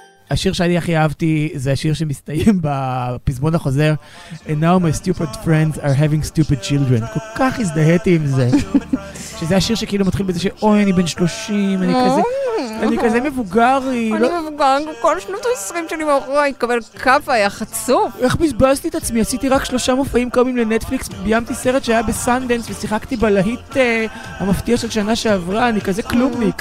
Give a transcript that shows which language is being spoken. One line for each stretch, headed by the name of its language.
Hebrew: השיר שאני הכי אהבתי זה השיר שמסתיים בפזמון החוזר.
English: And now my stupid friends are having stupid children.
Hebrew: כל כך הזדהיתי עם זה. שזה השיר שכאילו מתחיל בזה שאוי, אני בן 30, אני כזה... אני כזה מבוגרי. אני מבוגרי, כל שנות ה-20 שאני מאחורה, אני אקבל קאפה, היה חצוף. איך בזבזתי את עצמי? עשיתי רק 3 מופעים קומיים לנטפליקס, ביימתי סרט שהיה בסנדנס, ושיחקתי בלהיט המפתיע של שנה שעברה, אני כזה כלומניק.